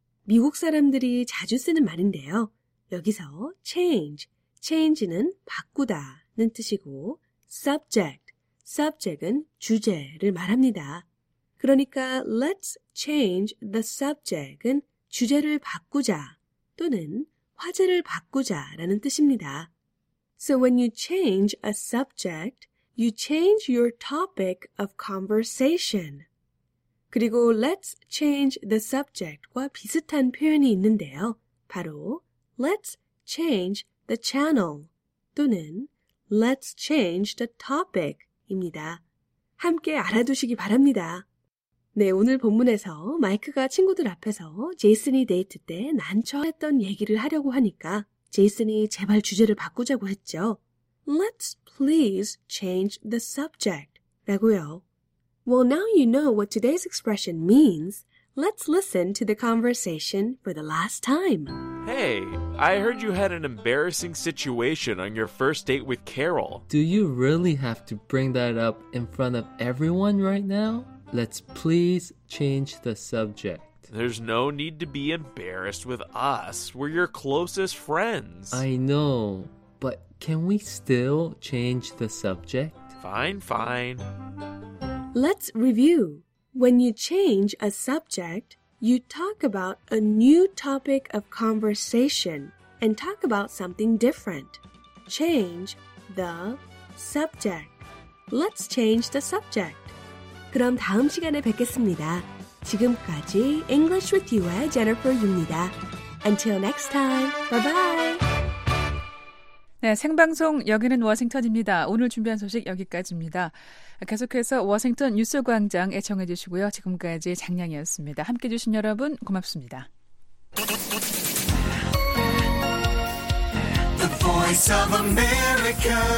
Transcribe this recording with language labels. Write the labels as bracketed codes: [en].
[ko] 미국 사람들이 자주 쓰는 말인데요. 여기서 change, change는 바꾸다는 뜻이고 subject은 주제를 말합니다. 그러니까 [en] let's change the subject [ko] 은 주제를 바꾸자 또는 화제를 바꾸자라는 뜻입니다. [en] So when you change a subject, you change your topic of conversation. [ko] 그리고 [en] let's change the subject [ko] 과 비슷한 표현이 있는데요. [en] 바로 let's change the channel 또는 let's change the topic입니다. [ko] 함께 알아두시기 바랍니다. 네, 오늘 본문에서 마이크가 친구들 앞에서 제이슨이 데이트 때 난처했던 얘기를 하려고 하니까 제이슨이 제발 주제를 바꾸자고 했죠. [en] Let's please change the subject 라고요. Well, now you know what today's expression means. Let's listen to the conversation for the last time. Hey, I heard you had an embarrassing situation on your first date with Carol. Do you really have to bring that up in front of everyone right now? Let's please change the subject. There's no need to be embarrassed with us. We're your closest friends. I know, but can we still change the subject? Fine, fine. Let's review. When you change a subject, you talk about a new topic of conversation and talk about something different. Change the subject. Let's change the subject. [ko] 그럼 다음 시간에 뵙겠습니다. 지금까지 English with You의 Jennifer입니다. [en] Until next time, bye-bye. [ko] 네, 생방송 여기는 워싱턴입니다. 오늘 준비한 소식 여기까지입니다. 계속해서 워싱턴 뉴스 광장 애청해 주시고요. 지금까지 장량이었습니다. 함께 주신 여러분 고맙습니다. [en] The Voice of America.